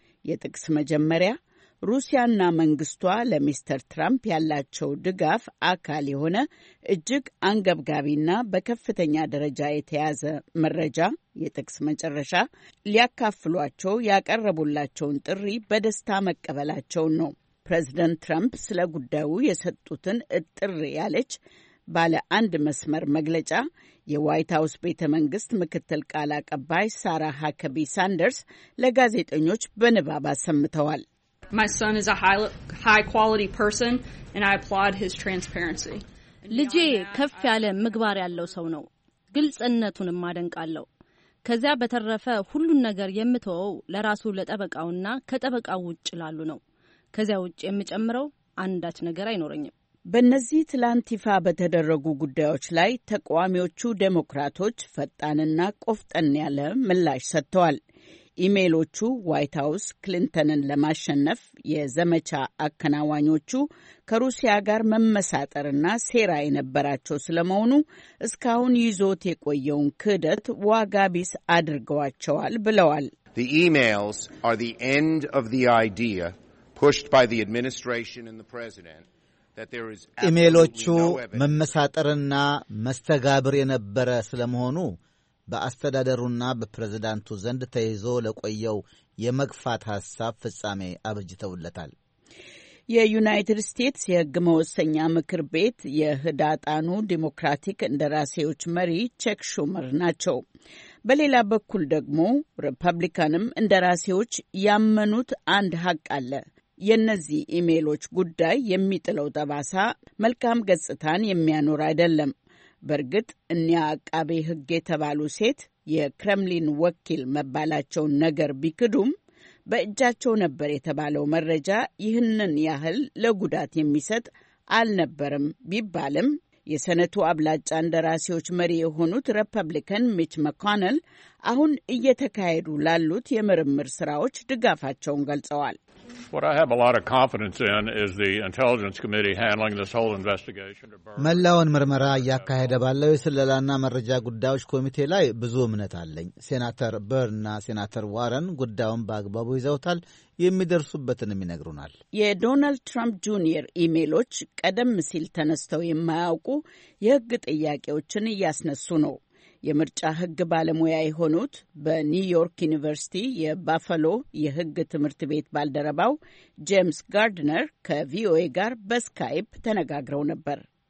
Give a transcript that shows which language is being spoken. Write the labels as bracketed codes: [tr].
[am] የጥቅስ መጀመሪያ ሩሲያና መንግስቷ ለሚስተር ትራምፕ ያላቸው ድጋፍ አካል የሆነ እጅግ አንገብጋቢና በከፍተኛ ደረጃ የተያዘ መረጃ የጥቅስ መጨረሻ ሊያካፍሏቸው ያቀረቡላቸውን ጥሪ በደስታ መቀበላቸው ነው። ፕሬዚደንት ትራምፕ ስለ ጉዳዩ የሰጡትን እጥር ያለች ባለ አንድ መስመር መግለጫ የዋይት ሀውስ ቤተ መንግስት ምክትል ቃል አቀባይ ሳራ ሃከቢ ሳንደርስ ለጋዜጠኞች በንባብ አሰምተዋል። [en] My son is a high quality person and I applaud his transparency. [am] ልጄ ከፍ ያለ ምግባር ያለው ሰው ነው። ግልጽነቱንም አደንቃለሁ። ከዚያ በተረፈ ሁሉን ነገር የምትወው ለራሱ ለጠበቃውና ከጠበቃው ውጭ ላሉ ነው። ከዚያ ውጭ የምጨምረው አንዳች ነገር አይኖረኝም። በእነዚህ ትላንቲፋ በተደረጉ ጉዳዮች ላይ ተቃዋሚዎቹ ዴሞክራቶች ፈጣንና ቆፍጠን ያለ ምላሽ ሰጥተዋል። ኢሜሎቹ ዋይት ሀውስ ክሊንተንን ለማሸነፍ የዘመቻ አከናዋኞቹ ከሩሲያ ጋር መመሳጠርና ሴራ የነበራቸው ስለመሆኑ እስካሁን ይዞት የቆየውን ክህደት ዋጋ ቢስ አድርገዋቸዋል ብለዋል። [en] The emails are the end of the idea pushed by the administration and the president that there is absolutely no evidence. [am] ኢሜሎቹ መመሳጠርና መስተጋብር የነበረ ስለመሆኑ በአስተዳደሩና በፕሬዝዳንቱ ዘንድ ተይዞ ለቆየው የመግፋት ሐሳብ ፍጻሜ አብጅተውለታል። የዩናይትድ ስቴትስ የሕግ መወሰኛ ምክር ቤት የህዳጣኑ ዲሞክራቲክ እንደራሴዎች መሪ ቼክ ሹመር ናቸው። በሌላ በኩል ደግሞ ሪፐብሊካንም እንደራሴዎች ያመኑት አንድ ሐቅ አለ። የነዚህ ኢሜሎች ጉዳይ የሚጥለው ጠባሳ መልካም ገጽታን የሚያኖር አይደለም። በርግጥ እኛ አቃቤ ሕግ የተባሉ ሴት የክረምሊን ወኪል መባላቸው ነገር ቢክዱም በእጃቸው ነበር የተባለው መረጃ ይህንን ያህል ለጉዳት የሚሰጥ አልነበረም ቢባልም የሰነቱ አብላጫ እንደራሴዎች መሪ የሆኑት ሪፐብሊካን ሚች መኮነል አሁን እየተካሄዱ ላሉት የምርምር ስራዎች ድጋፋቸውን ገልጸዋል። [en] What I have a lot of confidence in is the intelligence committee handling this whole investigation. [am] መላውን ምርመራ ያካሄደ ባለው የስለላና መረጃ ጉዳዮች ኮሚቴ ላይ ብዙ እምነት አለኝ። ሴናተር በርና ሴናተር ዋረን ጉዳዩን በአግባቡ ይዘውታል፣ የሚደርሱበትንም ይነግሩናል። የዶናልድ ትራምፕ ጁኒየር ኢሜሎች ቀደም ሲል ተነስተው የማያውቁ የሕግ ጥያቄዎችን ያስነሱ ነው። የምርጫ ሕግ ባለሙያ የሆኑት በኒውዮርክ ዩኒቨርሲቲ የባፈሎ የሕግ ትምህርት ቤት ባልደረባው ጄምስ ጋርድነር ከቪኦኤ ጋር በስካይፕ ተነጋግረው ነበር።